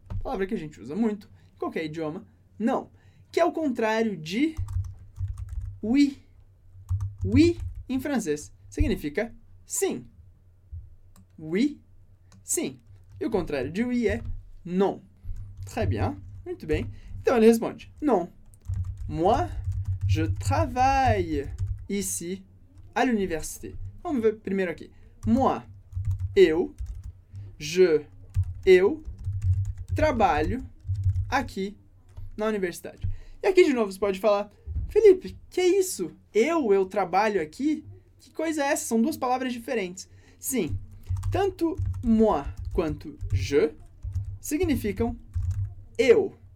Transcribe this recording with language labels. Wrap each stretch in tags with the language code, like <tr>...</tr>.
<pt>Palavra que a gente usa muito em qualquer idioma, não. Que é o contrário de oui. Oui, em francês, significa sim. Oui, sim. E o contrário de oui é non.</pt> <fr>Très bien,</fr> <pt>muito bem. Então ele responde, non.</pt> <fr>Moi, je travaille ici à l'université.</fr> <pt>Vamos ver primeiro aqui. Moi, eu, je, eu, trabalho aqui na universidade. E aqui de novo você pode falar, Felipe, que é isso? Eu trabalho aqui? Que coisa é essa? São duas palavras diferentes. Sim, tanto moi quanto je significam eu.</pt>